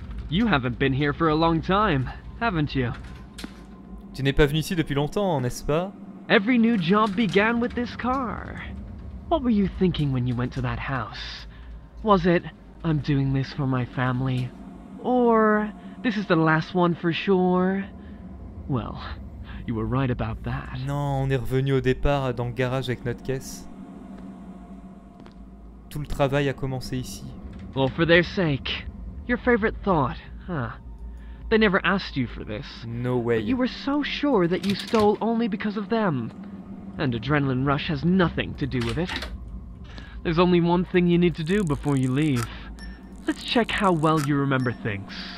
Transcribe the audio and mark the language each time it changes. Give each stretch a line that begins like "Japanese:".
English: You haven't been here for a long time, haven't you?
French: Tu n'es pas venu ici depuis longtemps, n'est-ce pas?
English: Every new job began with this car. What were you thinking when you went to that house? Was it, I'm doing this for my family? Or, this is the last one for sure? Well, you were right about that.
French: Non, on est revenu au départ dans le garage avec notre caisse. Tout le travail a commencé ici.
English: Well, for their sake. Your favorite thought, huh? They never asked you for this. No way. But you were so sure that you stole only because of them. And adrenaline rush has nothing to do with it. There's only one thing you need to do before you leave. Let's check how well you remember things.